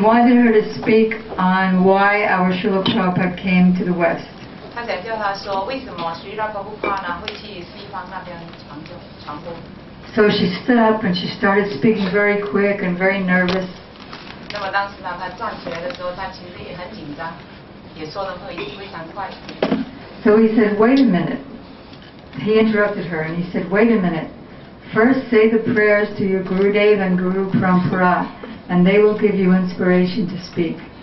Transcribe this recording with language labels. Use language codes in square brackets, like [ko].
[en] wanted her to speak on why our Srila Prabhupada came to the West. [zh] 他想叫他说，为什么Srila Prabhupada呢会去西方那边传播？So [en] she stood up and she started speaking very quick and very nervous. [zh] 那么当时呢，他站起来的时候，他其实也很紧张，也说的非常快。So [en] he said, "Wait a minute." He interrupted her and he said, "Wait a minute. First, say the prayers to your Gurudev and Guru Parampara, and they will give you inspiration to speak."